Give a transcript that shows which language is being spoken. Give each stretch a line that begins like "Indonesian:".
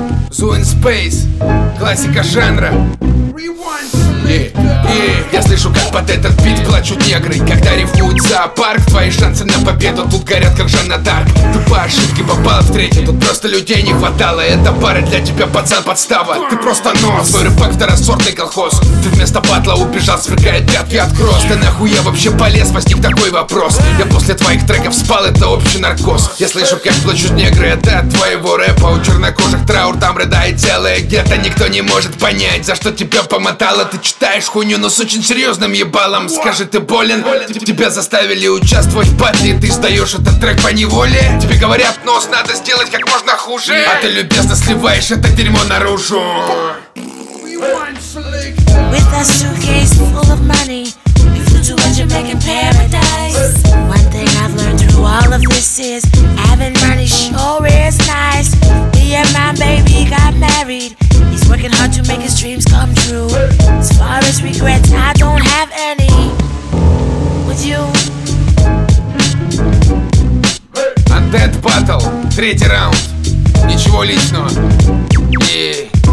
Russian: Zoo in Space, классика жанра.
English: Rewind.
Russian: И я слышу, как под этот бит плачут негры. Когда ревнуют зоопарк, твои шансы на победу тут горят, как Жанна Дарк. Ты по ошибке попала в третью, тут просто людей не хватало. Эта пара для тебя, пацан, подстава. Ты просто нос, твой рыбак второсортный колхоз. Ты вместо батла убежал, сверкает пятки от кросс. Ты нахуй я вообще полез, возник такой вопрос. Я после твоих треков спал, это общий наркоз. Я слышу, как плачут негры, это от твоего рэпа. У чернокожих траур там рыдает целое гетто. Никто не может понять, за что тебя помотало. Ты читаешь хуйню, но с очень серьезным ебалом. Скажи, ты болен? Тебя заставили участвовать в батле, ты сдаешь этот трек по неволе. Тебе говорят, нос, надо сделать как можно хуже. А ты любезно сливаешь это дерьмо наружу.
English: With a suitcase full of money, we flew to a Jamaican paradise. One thing I've learned through all of this is having money sure is nice. Me and my baby got married, he's working hard to make his dreams come true. As far as regrets, I don't have any. Would you?
Russian: Undead battle, третий раунд. Ничего личного. Yeah.